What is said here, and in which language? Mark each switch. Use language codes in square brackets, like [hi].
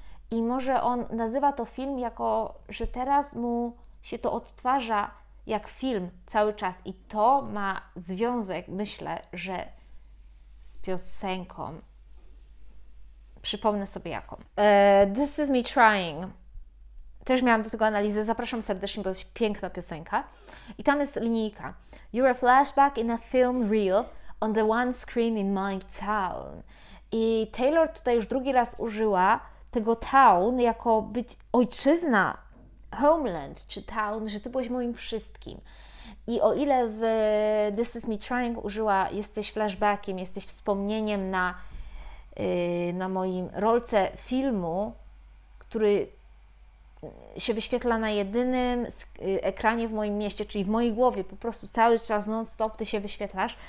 [pl] I może on nazywa to film jako, że teraz mu się to odtwarza jak film cały czas i to ma związek, myślę, że z piosenką, przypomnę sobie jaką. This is me trying. Też miałam do tego analizę, zapraszam serdecznie, bo to jest piękna piosenka. I tam jest linijka. [en] You're a flashback in a film reel on the one screen in my town. [pl] I Taylor tutaj już drugi raz użyła tego town jako być ojczyzna. Homeland czy town, że ty byłeś moim wszystkim. I o ile w This Is Me Trying użyła, jesteś flashbackiem, jesteś wspomnieniem na moim rolce filmu, który się wyświetla na jedynym ekranie w moim mieście, czyli w mojej głowie, po prostu cały czas non-stop ty się wyświetlasz.